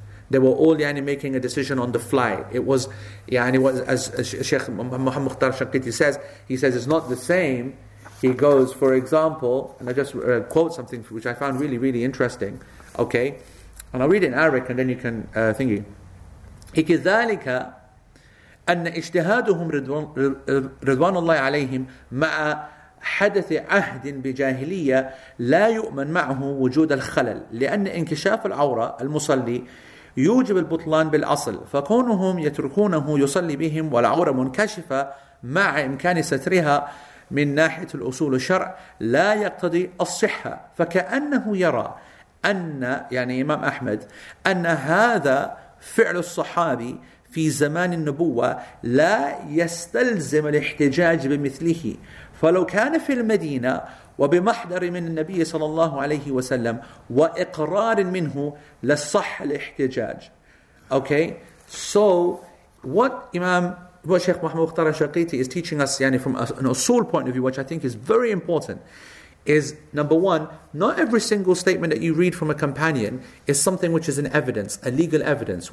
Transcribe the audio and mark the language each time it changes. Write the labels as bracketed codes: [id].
[en] They were all, yani, making a decision on the fly. It was, yani, was as Sheikh Muhammad Mukhtar Shaqiti says, he says, it's not the same. He goes, for example, and I just quote something which I found really, really interesting. Okay. And I'll read it in Arabic and then you can thingy. [ar] Hikidhalika أن اجتهادهم رضوان الله عليهم مع حدث عهد بجاهلية لا يؤمن معه وجود الخلل لأن انكشاف العورة المصلي يوجب البطلان بالأصل فكونهم يتركونه يصلي بهم والعورة منكشفة مع إمكان سترها من ناحية الأصول الشرع لا يقتضي الصحة فكأنه يرى أن يعني إمام أحمد أن هذا فعل الصحابي في زمان النبوة لا يستلزم الاحتجاج بمثله فلو كان في المدينة وبمحضر من النبي صلى الله عليه وسلم وإقرار منه لصح الاحتجاج. [en] Okay, so what Sheikh Muhammad Mukhtar al-Shaqiti is teaching us, yani, from an usul point of view, which I think is very important, is number one, not every single statement that you read from a companion is something which is an evidence, a legal evidence.